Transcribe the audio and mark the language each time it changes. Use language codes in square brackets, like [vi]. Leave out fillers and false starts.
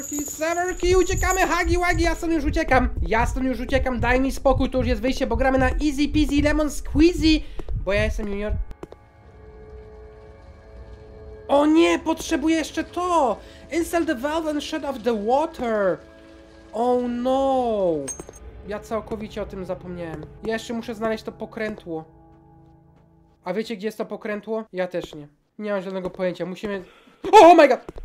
[pl] Severki! Uciekamy, Hagiwagi, ja stąd już uciekam, daj mi spokój, to już jest wyjście, bo gramy na Easy Peasy Lemon Squeezy, bo ja jestem junior. O nie, potrzebuję jeszcze to! [en] Install the valve and shut off the water! Oh no! [pl] Ja całkowicie o tym zapomniałem. Jeszcze muszę znaleźć to pokrętło. A wiecie, gdzie jest to pokrętło? Ja też nie. Nie mam żadnego pojęcia, musimy... [en] Oh my god!